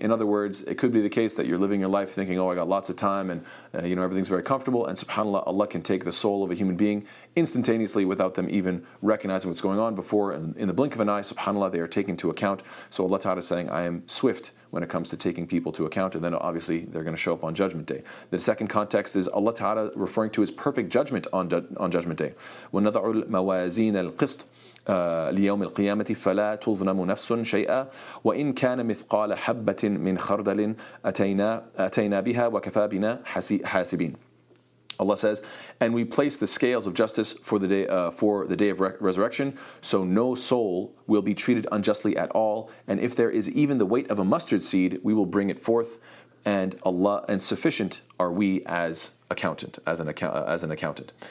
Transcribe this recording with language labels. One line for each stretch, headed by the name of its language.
English: In other words, it could be the case that you're living your life thinking, oh, I got lots of time and you know, everything's very comfortable, and subhanAllah, Allah can take the soul of a human being instantaneously without them even recognizing what's going on before, and in the blink of an eye, subhanAllah, they are taken to account. So Allah Ta'ala is saying, I am swift when it comes to taking people to account, and then obviously they're going to show up on Judgment Day. The second context is Allah Ta'ala referring to His perfect judgment on Judgment Day.
Arabic: وَنَضَعُ الْمَوَازِينَ الْقِسْطِ ليوم القيامة فلا تظلم نفس شيئا وإن كان مثقال حبة من خردل أتينا بها وكفى بنا حاسبين.
English: Allah says, and we place the scales of justice for the day of resurrection, so no soul will be treated unjustly at all, and if there is even the weight of a mustard seed, we will bring it forth, and Allah, and sufficient are we as an accountant.